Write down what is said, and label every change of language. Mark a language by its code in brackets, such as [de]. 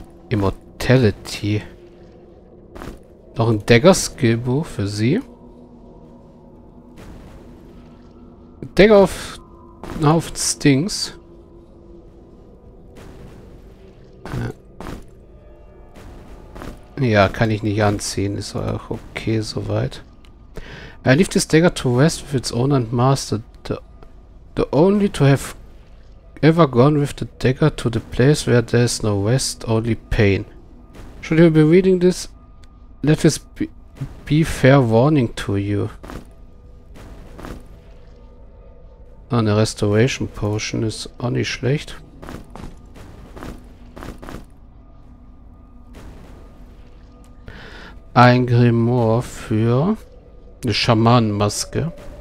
[de] Immortality. Noch ein Dagger Skillbuch für sie. Dagger auf Stings. Ja, kann ich nicht anziehen. Ist auch okay soweit. [en] I leave this dagger to rest with its owner and master. The only to have ever gone with the dagger to the place where there's no rest, only pain. Should you be reading this? Let this be fair warning to you. [de] Eine Restoration Potion ist auch nicht schlecht. Ein Grimoire für eine Schamanenmaske.